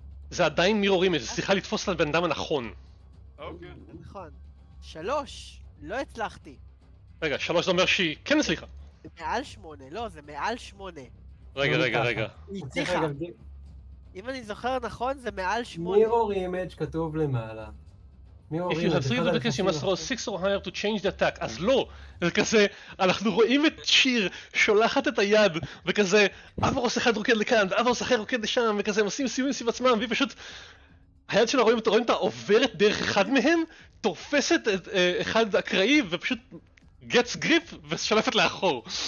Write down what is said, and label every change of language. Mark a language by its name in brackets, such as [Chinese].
[Hebrew] זה עדיין מירור אימג', זה צריכה לתפוס את הבן אדם הנכון. אוקיי. נכון. שלוש, לא הצלחתי. רגע, שלוש זה אומר שהיא כן הצליחה. זה מעל שמונה, לא, זה מעל שמונה. רגע. הצליחה. אם אני זוכר נכון, זה מעל שמונה. מירור אימג' כתוב למעלה. [English] If you have three of the cases, you must throw six or higher to change the attack. [Hebrew] אז לא, זה כזה, אנחנו רואים את שיר שולחת את היד וכזה, אברוס אחד רוקד לכאן ואברוס אחר רוקד לשם וכזה, הם עושים סיומים סביב עצמם והיא פשוט היד שלה רואים אותה, רואים אותה עוברת דרך אחד מהם, תופסת את אחד הקראי ופשוט [English] gets grip [Hebrew] ושולפת לאחור.